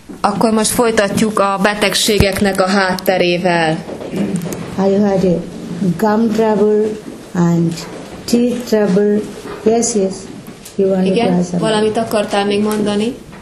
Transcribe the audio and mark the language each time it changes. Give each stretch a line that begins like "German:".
Hungarian: Akkor most folytatjuk a betegségeknek a hátterével.
English: I had a gum trouble and teeth trouble. Yes, yes.
Hungarian: Igen, valamit akartál még mondani?